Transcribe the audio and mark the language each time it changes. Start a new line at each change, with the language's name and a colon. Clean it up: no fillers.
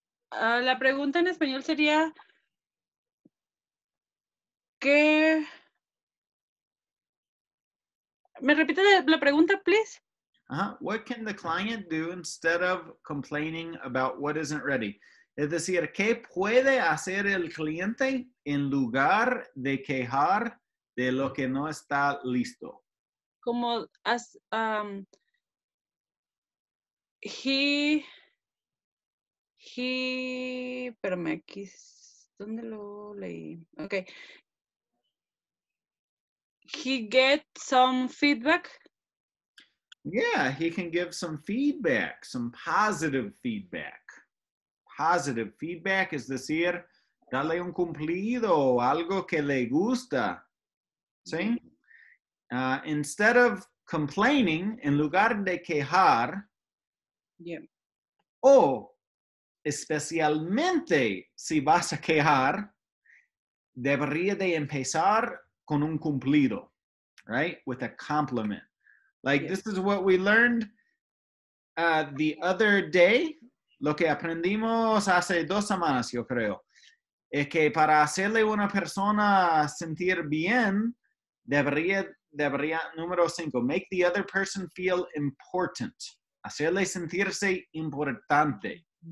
Spanish: La pregunta en español sería, ¿qué? ¿Me repite la pregunta,
English: please? What can the client do instead of complaining about what isn't ready?
Spanish: Es decir, ¿qué puede hacer el cliente en lugar de quejar de lo que no está listo? Como as he espérame, aquí ¿dónde lo leí?
English: Okay. He get some feedback. Yeah, he can give some feedback, some positive feedback. Positive feedback
Spanish: es decir, dale un cumplido o algo que le gusta. ¿Sí?
English: Instead of complaining,
Spanish: en lugar de quejar.
English: Yeah.
Spanish: O especialmente si vas a quejar, debería de empezar con un cumplido,
English: right? With a compliment. Like, yes. This is what we learned the other day.
Spanish: Lo que aprendimos hace dos semanas, yo creo. Es que para hacerle una persona sentir bien, debería, número cinco,
English: make the other person feel important.
Spanish: Hacerle sentirse importante.